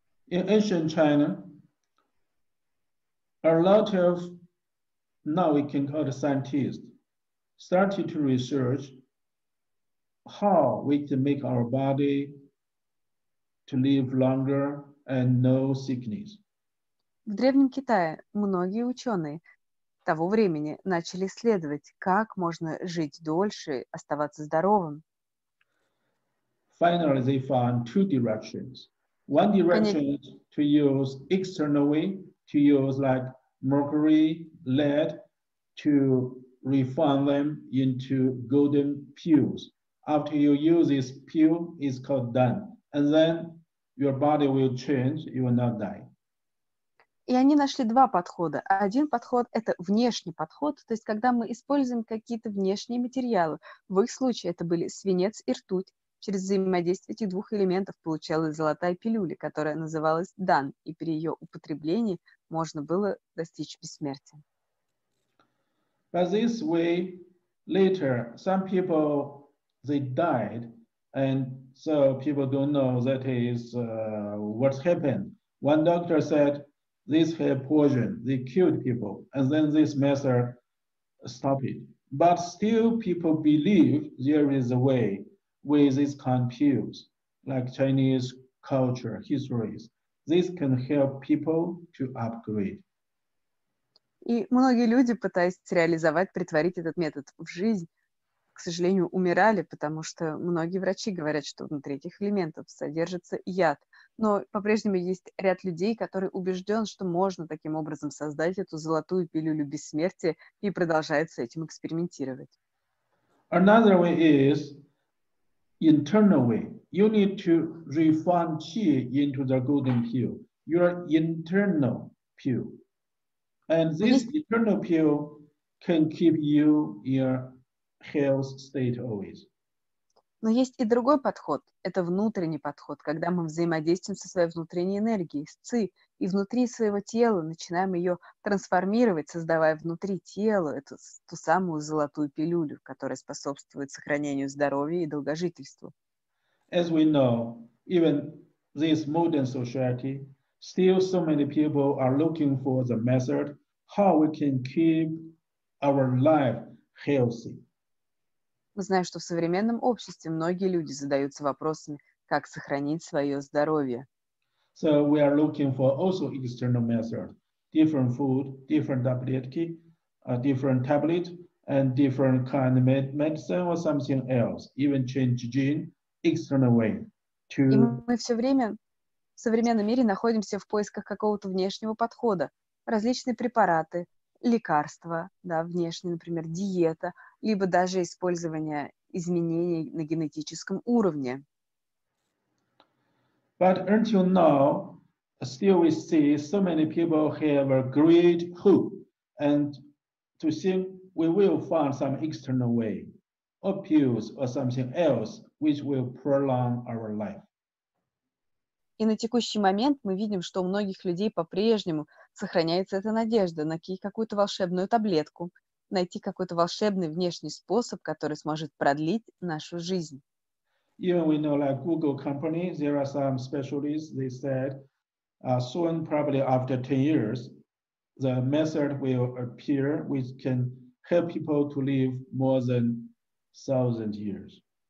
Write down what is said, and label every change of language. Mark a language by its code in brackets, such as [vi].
[en] In ancient China, a lot of, now we can call it scientists, started to research how we can make our body to live longer and no sickness. [ru] В Древнем Китае многие ученые того времени начали исследовать, как можно жить дольше, оставаться здоровым. [en] Finally, they found two directions. One direction is to use external way, to use like mercury, lead, to refine them into golden pills. After you use this pill, it's called done. And then your body will change, you will not die. [ru] И они нашли два подхода. Один подход – это внешний подход, то есть когда мы используем какие-то внешние материалы. В их случае это были свинец и ртуть. Через взаимодействие этих двух элементов получалась золотая пилюля, которая называлась дан, и при ее употреблении можно было достичь бессмертия. [en] But this way, later, some people, they died, and so people don't know that is what's happened. One doctor said, this hair poison, they killed people, and then this method stopped it. But still people believe there is a way with these kind of pills, like Chinese culture, histories. This can help people to upgrade. [ru] И многие люди, пытаясь реализовать, притворить этот метод в жизнь, к сожалению, умирали, потому что многие врачи говорят, что внутри этих элементов содержится яд. Но по-прежнему есть ряд людей, которые убежден, что можно таким образом создать эту золотую пилюлю бессмертия и продолжают с этим экспериментировать. [en] Another way is internal way. You need to refine qi into the golden pill, your internal pill. And this internal pill can keep you your health state always. [ru] Но есть и другой подход. Это внутренний подход, когда мы взаимодействуем со своей внутренней энергией, с ци, и внутри своего тела начинаем ее трансформировать, создавая внутри тела эту ту самую золотую пилюлю, которая способствует сохранению здоровья и долгожительству. [en] As we know, even this modern society, still so many people are looking for the method how we can keep our life healthy. [ru] Мы знаем, что в современном обществе многие люди задаются вопросами, как сохранить свое здоровье. [en] So we are looking for also external methods. Different food, different tablets, different tablet, and different kind of medicine or something else. Even change gene, external way. [ru] И мы все время В современном мире находимся в поисках какого-то внешнего подхода. Различные препараты, лекарства, да, внешние, например, диета, либо даже использование изменений на генетическом уровне. [en] But until now, still we see so many people have a great hope and to think we will find some external way, or pills or something else which will prolong our life. [ru] И на текущий момент мы видим, что у многих людей по-прежнему сохраняется эта надежда найти какую-то волшебную таблетку, найти какой-то волшебный внешний способ, который сможет продлить нашу жизнь. [en] Even we know like Google company, there are some specialists, they said, soon, probably after 10 years, the method will appear which can help people to live more than 1,000 years.